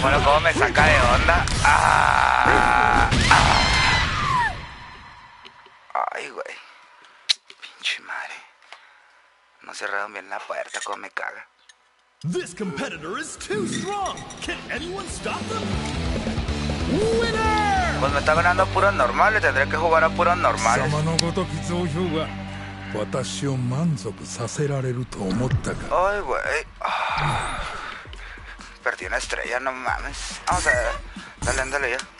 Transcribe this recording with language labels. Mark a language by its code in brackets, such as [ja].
[es] Bueno, ¿cómo me saca de onda? Ay, güey. Pinche madre. No cerraron bien la puerta, ¿cómo me caga? [en] This competitor is too strong. Can anyone stop them? Winner. [es] Pues me está ganando puro normal, le tendré que jugar a puro normal. Ay, güey. Perdí una estrella, no mames. Vamos a ver. Dale ya.